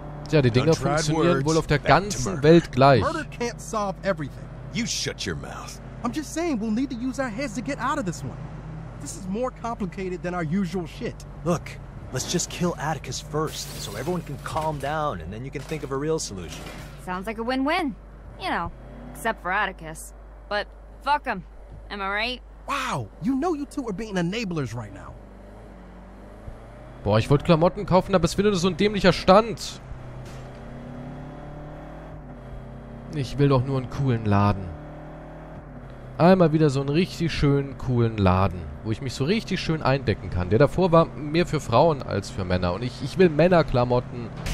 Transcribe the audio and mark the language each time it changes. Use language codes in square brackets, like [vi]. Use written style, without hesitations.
[de] Ja, die Dinger funktionieren wohl auf der ganzen Welt gleich. [en] Murder can't solve everything. You shut your mouth. I'm just saying, we'll need to use our heads to get out of this one. This is more complicated than our usual shit. Look, let's just kill Atticus first, so everyone can calm down, and then you can think of a real solution. Sounds like a win-win. You know, except for Atticus. But fuck him. Am I right? Wow, you know you two are being enablers right now. [de] Boah, ich wollte Klamotten kaufen, aber es wird nur so ein dämlicher Stand. Ich will doch nur einen coolen Laden. Einmal wieder so einen richtig schönen, coolen Laden, wo ich mich so richtig schön eindecken kann. Der davor war mehr für Frauen als für Männer. Und ich will Männerklamotten.